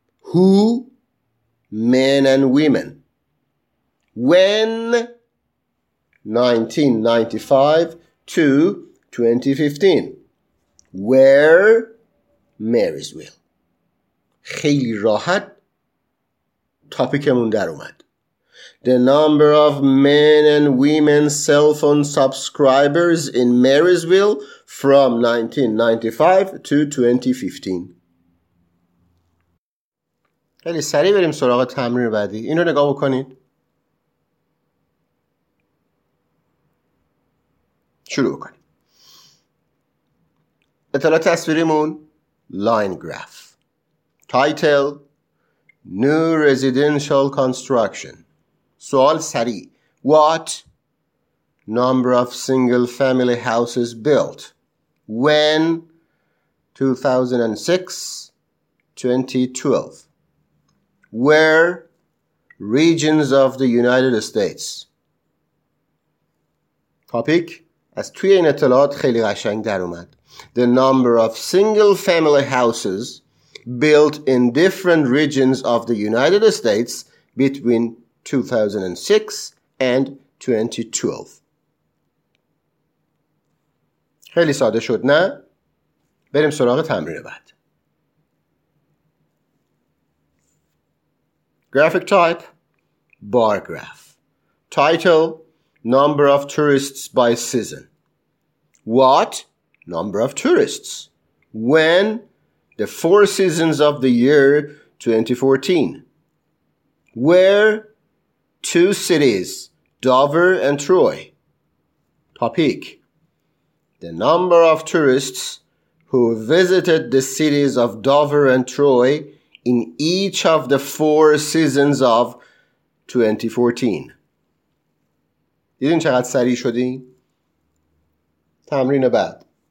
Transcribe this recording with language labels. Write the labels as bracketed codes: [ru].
[en] Who men and women? When 1995 to 2015? Where Marysville? [fa] خیلی راحت تاپیکمون در اومد. [en] The number of men and women cell phone subscribers in Marysville from 1995 to 2015. [fa] خیلی سریع بریم سراغ تمرین بعدی. اینو نگاه بکنید. شروع کنیم. اطلاع تصویریمون line graph. [en] Title: New residential construction. سوال سریع: What number of single family houses built? When? 2006-2012. Where? Regions of the United States. [fa] Topic: از توی این اطلاعات خیلی قشنگ در اومد. [en] The number of single family houses built in different regions of the United States between 2006 and 2012. [fa] خیلی ساده شد نه؟ بریم سراغ تمرین بعد. [en] Graphic type: bar graph. Title: number of tourists by season. What number of tourists? When? The four seasons of the year 2014. Where? Two cities, Dover and Troy. Topic: the number of tourists who visited the cities of Dover and Troy in each of the four seasons of 2014. [fa] دیدین چقدر سریع شدین؟ تمرین بعد.